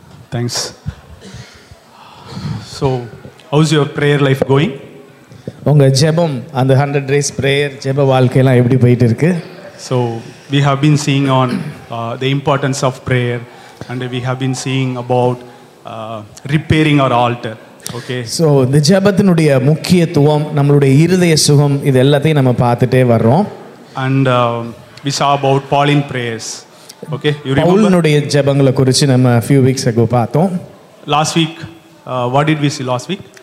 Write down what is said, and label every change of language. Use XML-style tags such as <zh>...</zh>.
<en>Thanks. So, how's your prayer life going?</en> <ta>உங்க ஜெபம், அந்த</ta> <en>100 days prayer</en> <ta>ஜெப வாழ்க்கை எல்லாம் எப்படி போயிட்டு இருக்கு?</ta> <en>So, we have been seeing on the importance of prayer and we have been seeing about repairing our altar. Okay.</en> <ta>So, இந்த ஜெபத்தினுடைய முக்கியத்துவம், நம்மளுடைய இருதய சுகம், இது எல்லாத்தையும் நம்ம பார்த்துட்டே வர்றோம்.</ta> <en>And we saw about Pauline prayers. Okay, you remember?</en> <ta>பவுலினுடைய ஜெபங்களை குறித்து நம்ம</ta> <en>few weeks ago</en> <ta>பார்த்தோம்.</ta> <en>Last week what did we see last week?</en>